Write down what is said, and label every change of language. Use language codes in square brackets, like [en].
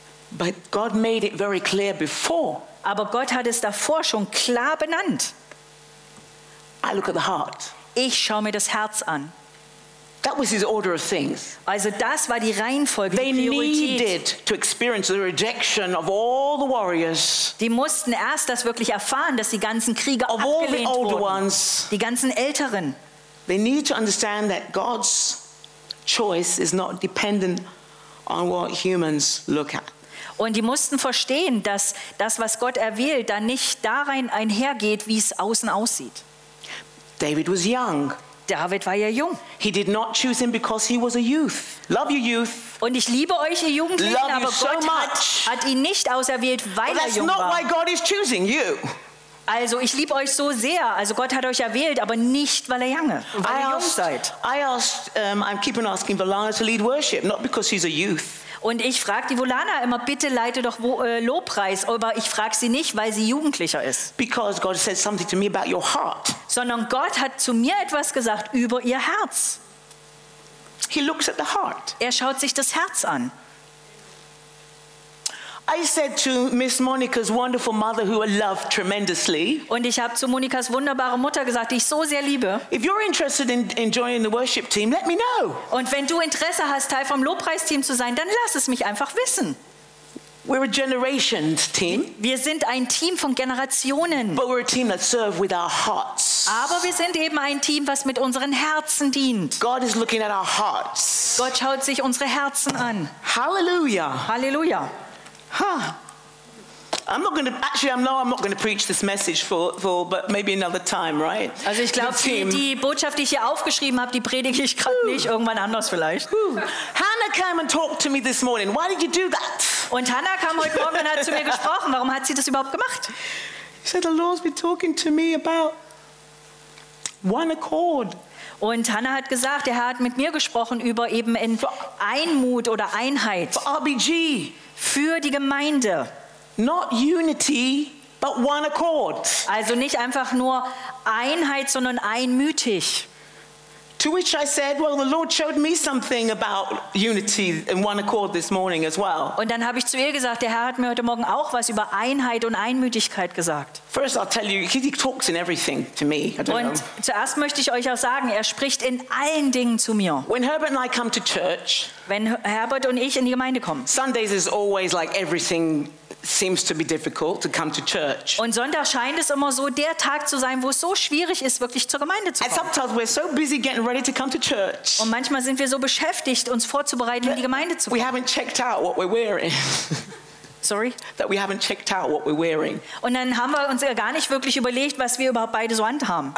[en] But God made it very clear before. [de] Aber Gott hat es davor schon klar benannt. [en] I look at the heart. [de] Ich schaue mir das Herz an. [en] That was his order of things. [de] Also das war die Reihenfolge. [en] They [de] die [en] needed to experience the rejection of all the warriors. [de] Die mussten erst das wirklich erfahren, dass die ganzen Krieger [en] of [de] abgelehnt [en] all the older [de] wurden. [en] Ones, [de] die ganzen Älteren. [en] They need to understand that God's choice is not dependent on what humans look at. [de] Und die mussten verstehen, dass das, was Gott erwählt, dann nicht darin einhergeht, wie es außen aussieht. [en] David was young. [de] David war ja jung. [en] He did not choose him because he was a youth. Love you, youth. [de] Und ich liebe euch, ihr Jugendlichen, aber Gott hat ihn nicht auserwählt, weil er jung war. [en] That's not why God is choosing you. [de] Also ich liebe euch so sehr. Also Gott hat euch erwählt, aber nicht, weil er jung seid. [en] I'm keeping asking Volana to lead worship, not because she's a youth. [de] Und ich frage die Volana immer, bitte leite doch Lobpreis, aber ich frage sie nicht, weil sie jugendlicher ist. [en] Because God said something to me about your heart. [de] Sondern Gott hat zu mir etwas gesagt über ihr Herz. [en] He looks at the heart. [de] Er schaut sich das Herz an. [en] I said to Miss Monica's wonderful mother, who I love tremendously. [de] Und ich habe zu Monikas wunderbare Mutter gesagt, die ich so sehr liebe. [en] If you're interested in joining the worship team, let me know. [de] Und wenn du Interesse hast, Teil vom Lobpreisteam zu sein, dann lass es mich einfach wissen. [en] We're a generations team. [de] Wir sind ein Team von Generationen. [en] But we're a team that serve with our hearts. [de] Aber wir sind eben ein Team, was mit unseren Herzen dient. [en] God is looking at our hearts. [de] Gott schaut sich unsere Herzen an. Hallelujah. Hallelujah. Huh. [en] I'm not going to preach this message for but maybe another time, right? [de] Also ich glaube, die Botschaft, die ich hier aufgeschrieben habe, die predige ich gerade nicht, irgendwann anders vielleicht. [en] Hannah came and talked to me this morning. Why did you do that? [de] Und Hannah kam heute Morgen und hat zu mir gesprochen. Warum hat sie das überhaupt gemacht? [en] She said, the Lord's been talking to me about one accord. [de] Und Hannah hat gesagt, der Herr hat mit mir gesprochen über eben in Einmut oder Einheit. [en] For RBG. [de] Für die Gemeinde. [en] Not unity, but one accord. [de] Also nicht einfach nur Einheit, sondern einmütig. [en] To which I said, well, the Lord showed me something about unity and one accord this morning as well. [de] Und dann habe ich zu ihr gesagt, der Herr hat mir heute Morgen auch was über Einheit und Einmütigkeit gesagt. [en] First I'll tell you, he talks in everything to me. [de] Zuerst möchte ich euch auch sagen, er spricht in allen Dingen zu mir. [en] When Herbert and I come to church, [de] wenn Herbert und ich in die Gemeinde kommen, [en] Sundays is always like everything seems to be difficult to come to church. [de] Und Sonntag scheint es immer so der Tag zu sein, wo es so schwierig ist, wirklich zur Gemeinde zu kommen. [en] And sometimes we're so busy getting ready to come to church. Und manchmal sind wir so beschäftigt, uns vorzubereiten, in die Gemeinde zu kommen. We haven't checked out what we're wearing. Sorry. That we haven't checked out what we're wearing. [de] Und dann haben wir uns ja gar nicht wirklich überlegt, was wir überhaupt beide so anhaben.